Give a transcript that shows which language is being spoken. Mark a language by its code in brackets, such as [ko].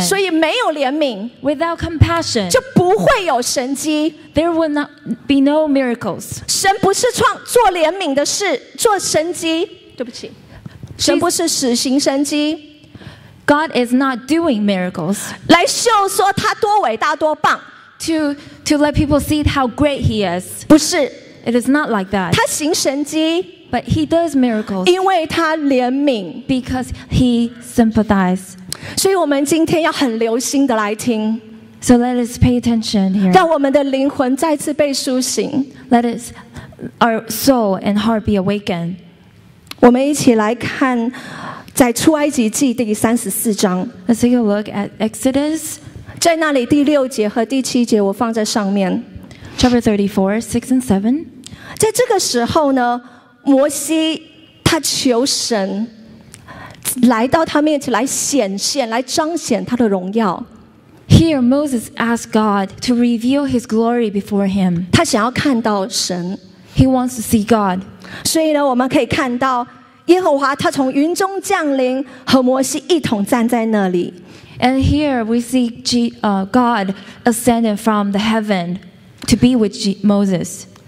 [zh] 所以没有怜悯 [en] without compassion, [zh] 就不会有神迹。 [en] There will not be no miracles. [zh] 神不是做怜悯的事，做神迹。对不起，神不是使行神迹。 [en] God is not doing miracles. [zh] 来秀说他多伟大多棒。 [en] To let people see how great he is. [zh] 不是 [en] It is not like that. [zh] 他行神迹 [en] But he does miracles. [zh] 因为他怜悯 [en] Because he sympathized. [zh] 所以我们今天要很留心的来听 [en] So let us pay attention here. [zh] 让我们的灵魂再次被苏醒 [en] Let us, our soul and heart be awakened. [zh] 我们一起来看在出埃及记第34章 [en] Let's take a look at Exodus. [zh] 在那里第六节和第七节我放在上面 [en] Chapter 34, 6 and 7 [zh] 在这个时候呢摩西他求神来到他面前来显现来彰显他的荣耀 [en] Here Moses asked God to reveal his glory before him [zh] 他想要看到神 [en] He wants to see God [zh] 所以呢我们可以看到耶和华他从云中降临和摩西一同站在那里 [en] And here we see God ascending from the heaven to be with Moses.